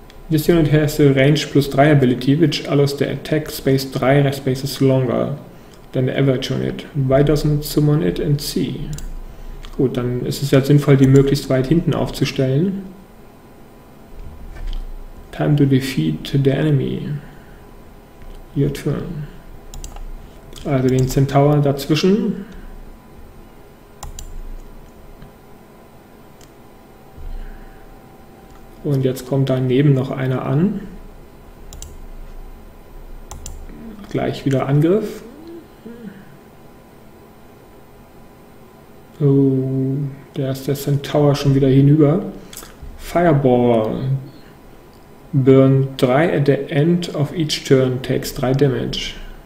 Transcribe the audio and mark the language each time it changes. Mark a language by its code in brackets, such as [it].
[en] This unit has a range plus 3 ability, which allows the attack space 3 spaces longer than the average unit. Why doesn't summon it and see? [de] Gut, dann ist es ja sinnvoll, die möglichst weit hinten aufzustellen. [en] Time to defeat the enemy. Your turn. [de] Also den Centaur dazwischen. Und jetzt kommt daneben noch einer an. Gleich wieder Angriff. Oh, da ist der Centaur schon wieder hinüber. [en] Fireball. Burn 3 at the end of each turn, takes 3 damage.